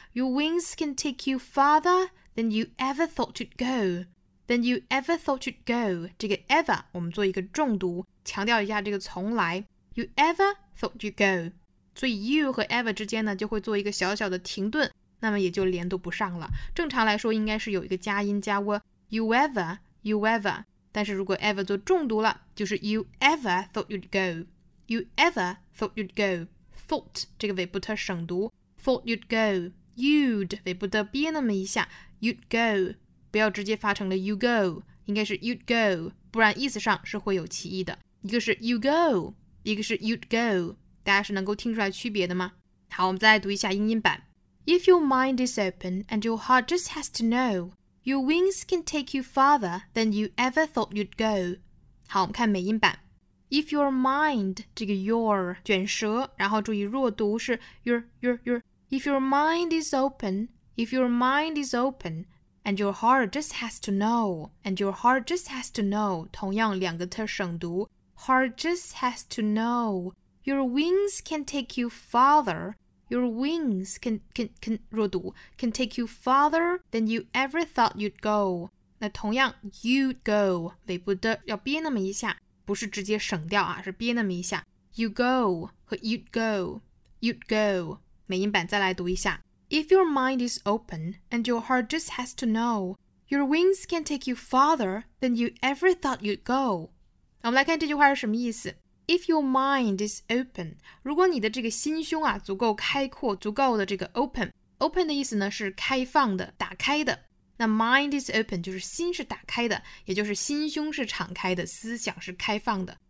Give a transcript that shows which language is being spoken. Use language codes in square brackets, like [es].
[en] Your wings can take you farther than you ever thought you'd go. Than you ever thought you'd go. [zh] 这个 ever 我们做一个重读，强调一下这个从来。 [en] You ever thought you'd go. [zh] 所以 you 和 ever 之间呢就会做一个小小的停顿，那么也就连读不上了。正常来说应该是有一个加音加 w。 You ever, 但是如果 ever 做重读了，就是 [en] you ever thought you'd go, [zh] thought 这个尾部特省读 [en] thought you'd go, [zh] you'd 尾部特憋那么一下 you'd go, 不要直接发成了 you go, 应该是 you'd go, 不然意思上是会有歧义的，一个是 you go, 一个是 you'd go, 大家是能够听出来区别的吗？好，我们再来读一下英音版。 [en] If your mind is open and your heart just has to knowYour wings can take you farther than you ever thought you'd go. [zh] 好，我们看美音版。 [en] If your mind, [zh] 这个 your, 卷舌，然后注意弱读是 your. [en] If your mind is open, and your heart just has to know, [zh] 同样两个特省读 [en] heart just has to know. Your wings can take you farther. Your wings can take you farther than you ever thought you'd go. [zh] 那同样 you'd go 尾部的要憋那么一下，不是直接省掉啊，是憋那么一下。 [en] You go [zh] 和 [en] you'd go [zh] 美音版再来读一下。 [en] If your mind is open and your heart just has to know, your wings can take you farther than you ever thought you'd go. [zh] 我们来看这句话是什么意思。 [en] If your mind is open, [zh] 如果你的这个心胸啊足够开阔，足够的这个 open 的意思呢是开放的，打开的。那 mind is open 就是心是打开的，也就是心胸是敞开的，思想是开放的。